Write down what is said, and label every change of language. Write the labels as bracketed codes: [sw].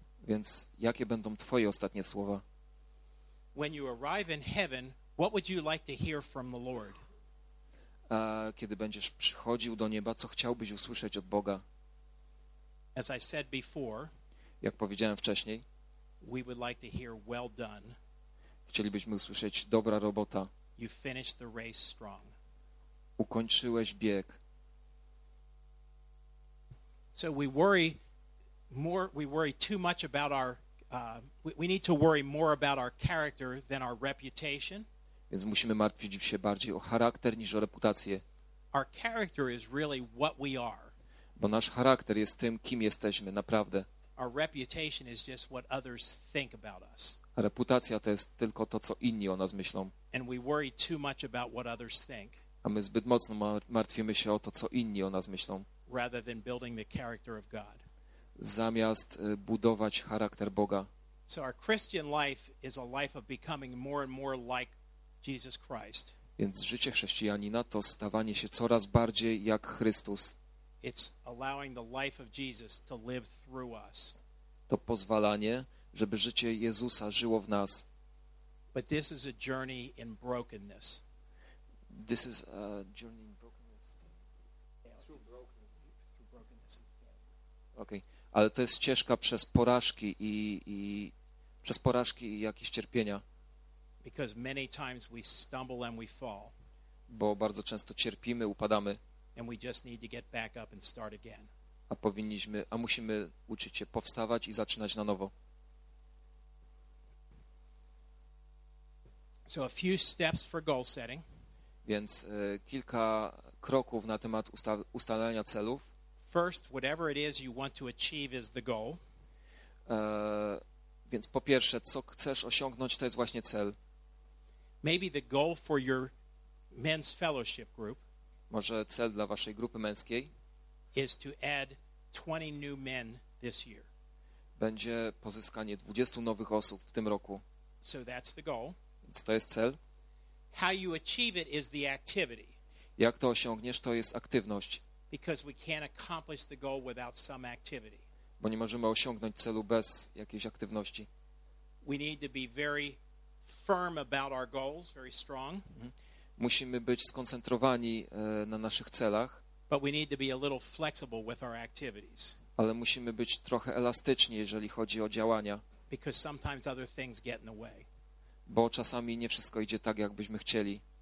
[pl] Więc jakie będą twoje ostatnie słowa? [en] When you arrive in heaven, what would you like to hear from the Lord? [pl] Kiedy będziesz przychodził do nieba, co chciałbyś usłyszeć od Boga? [en] As I said before, [pl] jak powiedziałem wcześniej, [en] we would like to hear well done. [pl] Chcielibyśmy usłyszeć dobra robota. [en] You finished the race strong. [pl] Ukończyłeś bieg. [en] So we worry too much about our we need to worry more about our character than our reputation. [pl] Więc musimy martwić się bardziej o charakter niż o reputację. [en] Our character is really what we are. [pl] Bo nasz charakter jest tym, kim jesteśmy naprawdę. [en] Our reputation is just what others think about us. [pl] A reputacja to jest tylko to, co inni o nas myślą. [en] And we worry too much about what others think. [pl] A my zbyt mocno martwimy się o to, co inni o nas myślą. [en] Rather than building the character of God. [pl] Zamiast budować charakter Boga. [en] So our Christian life is a life of becoming more and more like Jesus Christ. [pl] Więc życie chrześcijanina to stawanie się coraz bardziej jak Chrystus. [en] It's allowing the life of Jesus to live through us. [pl] To pozwalanie, żeby życie Jezusa żyło w nas. [en] But this is a journey in brokenness. This is a journey in brokenness. Okay. [pl] Ale to jest ścieżka przez porażki i przez porażki i jakieś cierpienia. [en] Because many times we stumble and we fall. [pl] Bo bardzo często cierpimy, upadamy. [en] And we just need to get back up and start again. [pl] A musimy uczyć się powstawać i zaczynać na nowo. [en] So a few steps for goal setting. [pl] Więc kilka kroków na temat ustalania celów. [en] First, whatever it is you want to achieve is the goal. [pl] Więc po pierwsze, co chcesz osiągnąć, to jest właśnie cel. [en] Maybe the goal for your men's fellowship group. [pl] Może cel dla waszej grupy męskiej. [en] Is to add 20 new men this year. [pl] Będzie pozyskanie 20 nowych osób w tym roku. [en] So that's the goal. [pl] Więc to jest cel. [en] How you achieve it is the activity. [pl] Jak to osiągniesz, to jest aktywność. [en] Because we can't accomplish the goal without some activity. [pl] Bo nie możemy osiągnąć celu bez jakiejś aktywności. [en] We need to be very firm about our goals, very strong. [pl] Musimy być skoncentrowani na naszych celach. [en] But we need to be a little flexible with our activities. [pl] Ale musimy być trochę elastyczni, jeżeli chodzi o działania. [en] Because sometimes other things get in the way. [pl] Bo czasami nie wszystko idzie tak, jak byśmy chcieli.